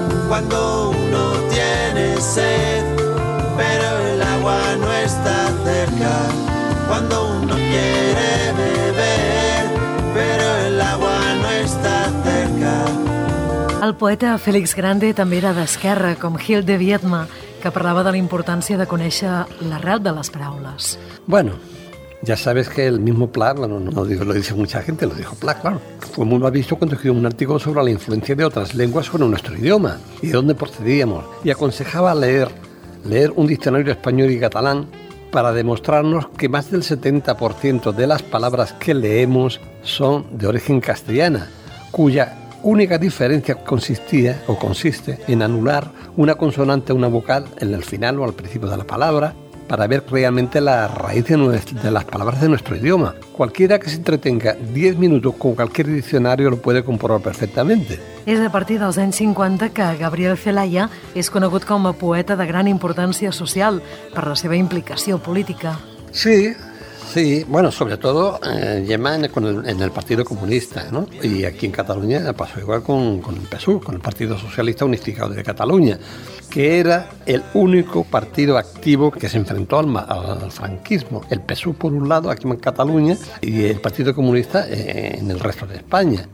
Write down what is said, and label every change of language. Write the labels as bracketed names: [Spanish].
[Spanish] Cuando uno tiene sed, pero el agua no está cerca. Cuando uno quiere beber, pero el agua no está cerca. [Catalan] El poeta Félix Grande també era d'esquerra, com Gil de Viedma, que parlava de la importància de conèixer l'arrel de les paraules. [Spanish] Bueno, ya sabes que el mismo Pla, bueno, no lo dice mucha gente, lo dijo Pla, claro. Fue muy mal visto cuando escribió un artículo sobre la influencia de otras lenguas sobre nuestro idioma y de dónde procedíamos. Y aconsejaba leer un diccionario español y catalán para demostrarnos que más del 70% de las palabras que leemos son de origen castellana, cuya única diferencia consistía o consiste en anular una consonante o una vocal en el final o al principio de la palabra, para ver realmente la raíz de las palabras de nuestro idioma. Cualquiera que se entretenga 10 minutos con cualquier diccionario lo puede comprobar perfectamente. [Catalan] És a partir dels anys 50 que Gabriel Zelaya és conegut com a poeta de gran importància social per la seva implicació política. Sí, sí. [Spanish] Bueno, [Catalan] sobretot en el Partit Comunista, ¿no? [Spanish] Y aquí en Cataluña pasó igual con el PSUC, con el Partido Socialista Unificado de Cataluña, que era el único partido activo que se enfrentó al franquismo. El PSUC por un lado, aquí en Cataluña, y el Partido Comunista en el resto de España.